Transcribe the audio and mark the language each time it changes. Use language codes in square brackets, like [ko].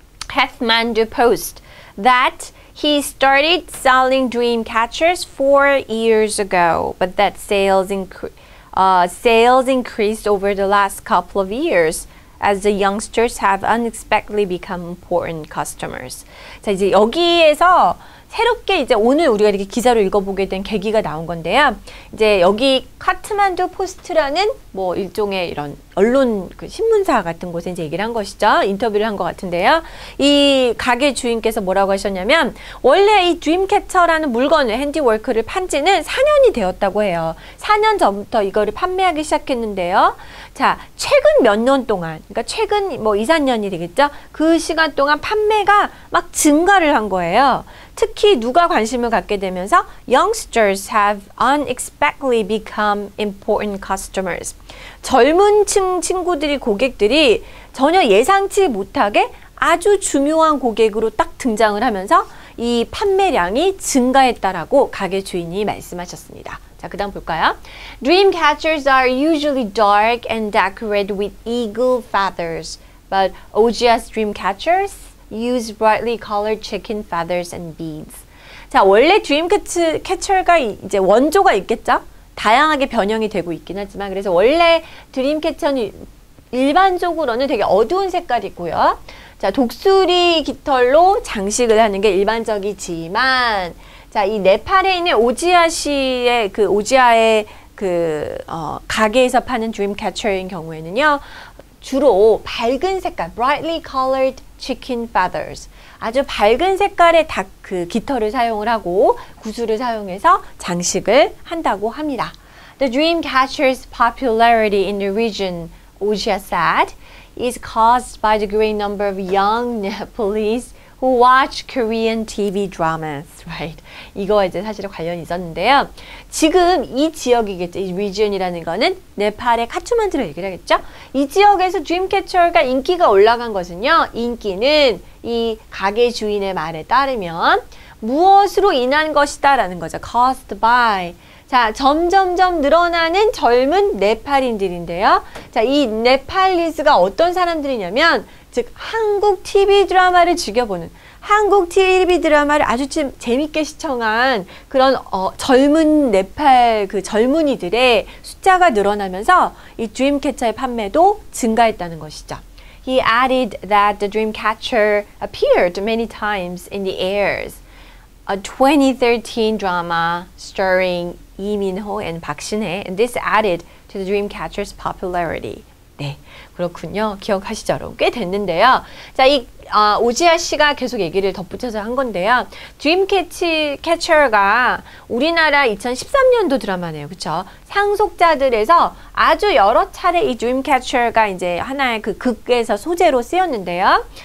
[en] Kathmandu Post that he started selling dream catchers 4 years ago, but that sales increased over the last couple of years as the youngsters have unexpectedly become important customers. [ko] 자, 이제 여기에서 새롭게 이제 오늘 우리가 이렇게 기사를 읽어보게 된 계기가 나온 건데요. 이제 여기 카트만두 포스트라는 뭐 일종의 이런 언론 그 신문사 같은 곳에 이제 얘기를 한 것이죠. 인터뷰를 한 것 같은데요. 이 가게 주인께서 뭐라고 하셨냐면 원래 이 드림캐처라는 물건을 핸디워크를 판 지는 4년이 되었다고 해요. 4년 전부터 이거를 판매하기 시작했는데요. 자, 최근 몇 년 동안, 그러니까 최근 뭐 2, 3년이 되겠죠. 그 시간 동안 판매가 막 증가를 한 거예요. 특히 누가 관심을 갖게 되면서 [en] youngsters have unexpectedly become important customers. [ko] 젊은 층 친구들이 고객들이 전혀 예상치 못하게 아주 중요한 고객으로 딱 등장을 하면서 이 판매량이 증가했다라고 가게 주인이 말씀하셨습니다. 자, 그다음 볼까요? [en] Dream catchers are usually dark and decorated with eagle feathers, but OGS dream catchers use brightly colored chicken feathers and beads. [ko] 자, 원래 드림캐처가 이제 원조가 있겠죠? 다양하게 변형이 되고 있긴 하지만 그래서 원래 드림캐처는 일반적으로는 되게 어두운 색깔이고요. 자, 독수리 깃털로 장식을 하는 게 일반적이지만 자, 이 네팔에 있는 오지아 씨의 그 오지아의 그 가게에서 파는 드림캐처인 경우에는요. 주로 밝은 색깔, [en] brightly colored chicken feathers. [ko] 아주 밝은 색깔의 닭 그 깃털을 사용을 하고 구슬을 사용해서 장식을 한다고 합니다. [en] The dream catcher's popularity in the region, Ojia said, is caused by the great number of young Nepalese who watch Korean TV dramas, right? [ko] 이거 이제 사실은 관련이 있었는데요. 지금 이 지역이겠죠. 이 region이라는 거는 네팔의 카트만두를 얘기를 하겠죠. 이 지역에서 드림캐처가 인기가 올라간 것은요. 인기는 이 가게 주인의 말에 따르면 무엇으로 인한 것이다 라는 거죠. [en] Caused by. [ko] 자, 점점점 늘어나는 젊은 네팔인들인데요. 자, 이 네팔리즈가 어떤 사람들이냐면 즉 한국 TV 드라마를 즐겨보는 한국 TV 드라마를 아주 재밌게 시청한 그런 젊은 네팔 그 젊은이들의 숫자가 늘어나면서 이 드림캐처의 판매도 증가했다는 것이죠. [en] He added that the dream catcher appeared many times in the airs. A 2013 drama starring 이민호 and 박신혜. And this added to the dream catcher's popularity. [ko] 네, 그렇군요. 기억하시죠? 여러분. 꽤 됐는데요. 자, 이 오지아 씨가 계속 얘기를 덧붙여서 한 건데요. 드림캐처가 우리나라 2013년도 드라마네요. 그렇죠? 상속자들에서 아주 여러 차례 이 드림캐처가 이제 하나의 그 극에서 소재로 쓰였는데요.